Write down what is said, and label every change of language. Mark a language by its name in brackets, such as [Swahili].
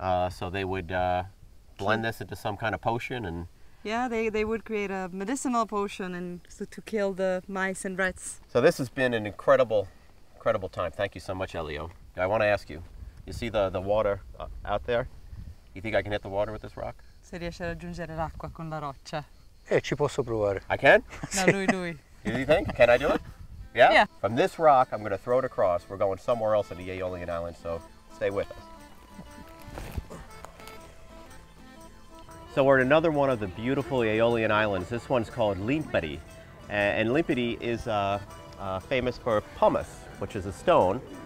[English] So they would blend this into some kind of potion and... Yeah, they would create a medicinal potion and to kill the mice and rats. So this has been an incredible time. Thank you so much, Elio. I want to ask you, you see the water out there? You think I can hit the water with this rock? [Italian] Se riesce a raggiungere l'acqua con la roccia. Ci posso provare. [English] I can? [Italian] No, lui. [English] You think? Can I do it? Yeah? Yeah. From this rock, I'm going to throw it across. We're going somewhere else on the Aeolian Island, so stay with us. So we're in another one of the beautiful Aeolian Islands. This one's called Limperi. And Limperi is famous for pumice, which is a stone.